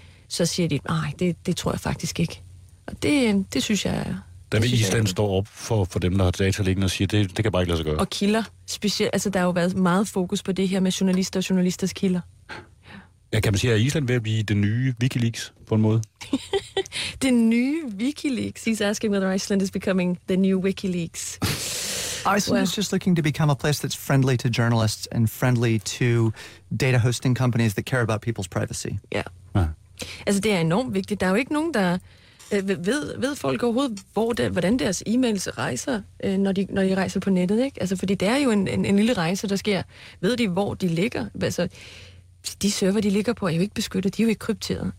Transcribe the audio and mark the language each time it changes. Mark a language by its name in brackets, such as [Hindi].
[Danish] Så siger de, nej, det tror jeg faktisk ikke. Og det synes jeg er... Der vil Island stå op for dem, der har data liggende, og siger, det kan bare ikke lade sig gøre. Og kilder. Specielt, altså, der har jo været meget fokus på det her med journalister og journalisters kilder. Ja, kan man sige, at Island vil blive det nye Wikileaks på en måde? Det nye Wikileaks? [English] He's asking whether Iceland is becoming the new Wikileaks. Iceland is just looking to become a place that's friendly to journalists and friendly to data hosting companies that care about people's privacy. [Danish] Ja. Altså, det er enormt vigtigt. Der er jo ikke nogen, der ved folk overhovedet, hvordan deres e-mails rejser, når de rejser på nettet, ikke? Altså, fordi det er jo en lille rejse, der sker. Ved de, hvor de ligger? Altså, de server, de ligger på, er jo ikke beskyttet, de er jo ikke krypteret.